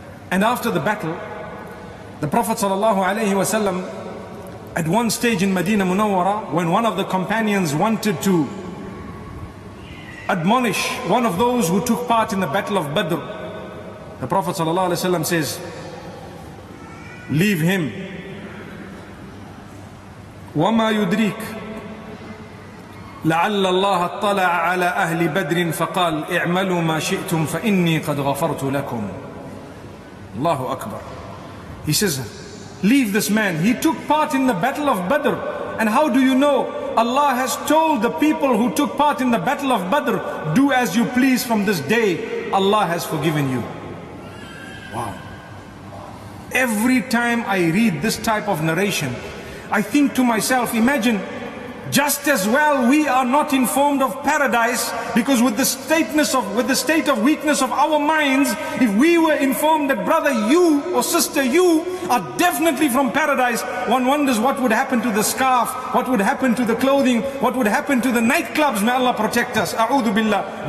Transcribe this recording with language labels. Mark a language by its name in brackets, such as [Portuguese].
[English] And after the battle, the Prophet sallallahu alayhi wa sallam, at one stage in Medina Munawwara, when one of the companions wanted to admonish one of those who took part in the battle of Badr, the Prophet sallallahu alaihi wasallam says, leave him. [Arabic] وَمَا يُدْرِيكَ لَعَلَّ اللَّهَ اطَّلَعَ عَلَىٰ أَهْلِ بَدْرٍ فَقَالَ اِعْمَلُوا مَا شِئْتُمْ فَإِنِّي قَدْ غَفَرْتُ لَكُمْ. Allahu Akbar. [English] He says, leave this man. He took part in the battle of Badr. And how do you know? Allah has told the people who took part in the battle of Badr, do as you please from this day. Allah has forgiven you. Wow. Every time I read this type of narration, I think to myself, imagine, just as well we are not informed of paradise, because with the state of weakness of our minds, if we were informed that brother you or sister you are definitely from paradise, one wonders what would happen to the scarf, what would happen to the clothing, what would happen to the nightclubs. May Allah protect us. A'udhu billah.